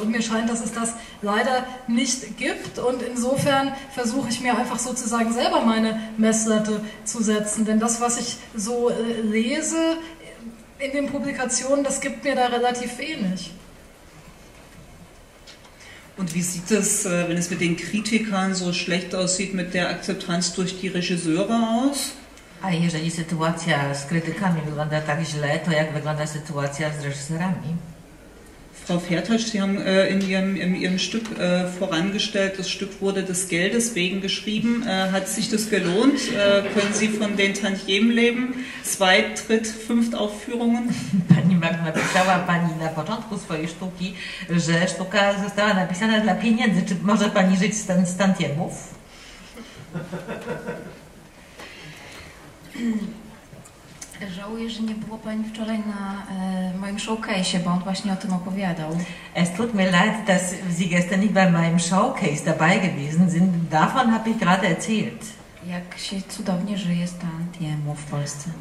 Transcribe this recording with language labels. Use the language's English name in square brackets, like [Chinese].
[German] Und mir scheint, dass es das leider nicht gibt. Und insofern versuche ich mir einfach sozusagen selber meine Messlatte zu setzen. Denn das, was ich so lese, in den Publikationen, das gibt mir da relativ wenig. Und wie sieht es, wenn es mit den Kritikern so schlecht aussieht, mit der Akzeptanz durch die Regisseure aus? [Polish] A jeżeli sytuacja z krytykami wygląda tak źle, to jak wygląda sytuacja z reżyserami? [German] Frau Fertasch, Sie haben in Ihrem Stück vorangestellt, das Stück wurde des Geldes wegen geschrieben. Hat sich das gelohnt? Können Sie von den Tantiemen leben? Zwei, dritt, fünf Aufführungen? [Polish] Pani Magna, pytała Pani na początku swojej sztuki, że sztuka została napisana dla pieniędzy. Czy może Pani żyć z tantiemów? Żałuję, że nie było Pani wczoraj na moim showcase, bo on właśnie o tym opowiadał. [German] Es tut mir leid, dass Sie gestern nicht bei meinem Showcase dabei gewesen sind. Davon habe ich gerade erzählt. [Polish] Jak się cudownie żyje z tantiemów w Polsce.